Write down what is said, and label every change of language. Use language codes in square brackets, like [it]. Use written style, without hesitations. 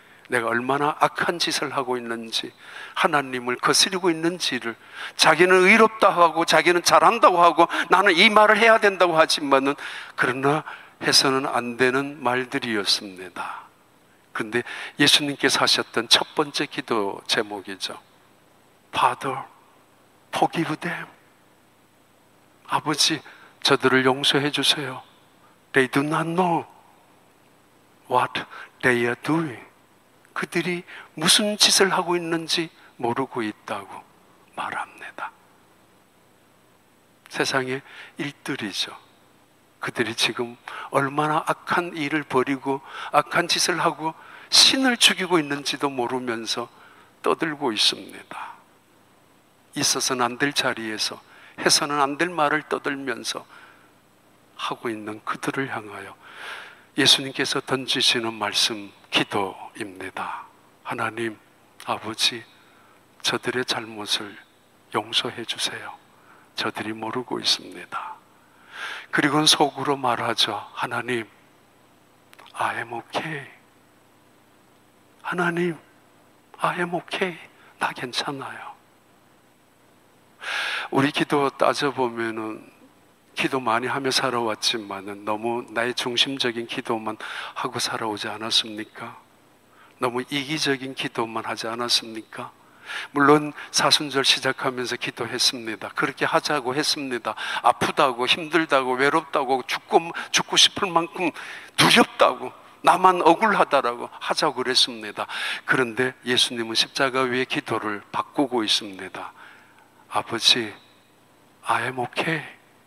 [ko] 내가 얼마나 악한 짓을 하고 있는지, 하나님을 거스르고 있는지를 자기는 의롭다 하고 자기는 잘한다고 하고 나는 이 말을 해야 된다고 하지만은 그러나 해서는 안 되는 말들이었습니다. 그런데 예수님께서 하셨던 첫 번째 기도 제목이죠. [en] Father, forgive them. [ko] 아버지, 저들을 용서해 주세요. [en] They do not know what they are doing. [ko] 그들이 무슨 짓을 하고 있는지 모르고 있다고 말합니다. 세상의 일들이죠. 그들이 지금 얼마나 악한 일을 벌이고 악한 짓을 하고 신을 죽이고 있는지도 모르면서 떠들고 있습니다. 있어서는 안될 자리에서 해서는 안될 말을 떠들면서 하고 있는 그들을 향하여 예수님께서 던지시는 말씀, 기도입니다. 하나님, 아버지, 저들의 잘못을 용서해 주세요. 저들이 모르고 있습니다. 그리고는 속으로 말하죠. [en] 하나님, I am okay. 하나님, I am okay. [ko] 나 괜찮아요. 우리 기도 따져보면은 기도 많이 하며 살아왔지만은 너무 나의 중심적인 기도만 하고 살아오지 않았습니까? 너무 이기적인 기도만 하지 않았습니까? 물론 사순절 시작하면서 기도했습니다. 그렇게 하자고 했습니다. 아프다고, 힘들다고, 외롭다고, 죽고 싶을 만큼 두렵다고, 나만 억울하다라고 하자고 그랬습니다. 그런데 예수님은 십자가 위에 기도를 바꾸고 있습니다. [en] 아버지, I am okay.